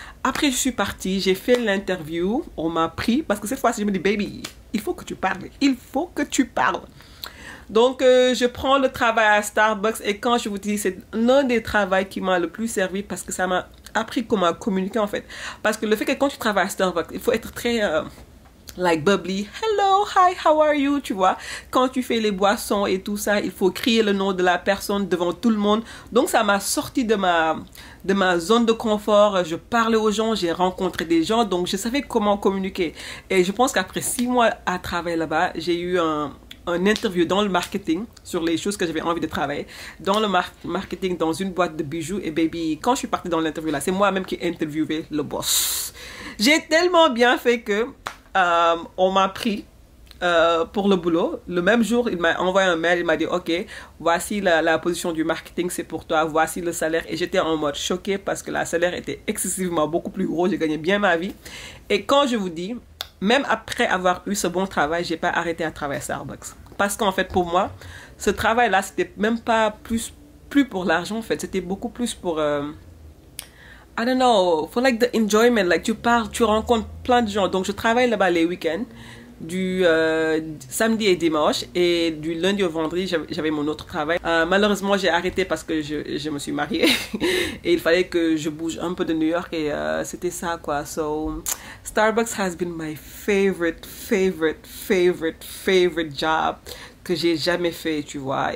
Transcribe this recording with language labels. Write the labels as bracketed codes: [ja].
[fr] Après, je suis partie, j'ai fait l'interview, on m'a pris, parce que cette fois-ci, je me dis, baby, il faut que tu parles, il faut que tu parles. Donc, je prends le travail à Starbucks, et quand je vous dis, c'est l'un des travaux qui m'a le plus servi, parce que ça m'a appris comment communiquer, en fait. Parce que le fait que quand tu travailles à Starbucks, il faut être très... [en] like bubbly, hello, hi, how are you, [fr] tu vois. Quand tu fais les boissons et tout ça, il faut crier le nom de la personne devant tout le monde. Donc, ça m'a sorti de ma zone de confort. Je parlais aux gens, j'ai rencontré des gens, donc je savais comment communiquer. Et je pense qu'après 6 mois à travailler là-bas, j'ai eu un interview dans le marketing sur les choses que j'avais envie de travailler. Dans le marketing, dans une boîte de bijoux. Et baby, quand je suis partie dans l'interview là, c'est moi-même qui interviewais le boss. J'ai tellement bien fait que... on m'a pris pour le boulot. Le même jour, il m'a envoyé un mail. Il m'a dit, ok, voici la position du marketing, c'est pour toi, voici le salaire. Et j'étais en mode choquée parce que le salaire était excessivement beaucoup plus gros. J'ai gagné bien ma vie. Et quand je vous dis, même après avoir eu ce bon travail, j'ai pas arrêté à travailler à Starbucks. Parce qu'en fait, pour moi, ce travail-là, c'était même pas plus pour l'argent, en fait. C'était beaucoup plus pour... [en] I don't know, for like the enjoyment, like [fr] tu parles, tu rencontres plein de gens. Donc je travaille là-bas les week-ends, du samedi et dimanche, et du lundi au vendredi, j'avais mon autre travail. Malheureusement, j'ai arrêté parce que je me suis mariée et il fallait que je bouge un peu de New York, et c'était ça, quoi. [en] So, Starbucks has been my favorite job [fr] que j'ai jamais fait, tu vois.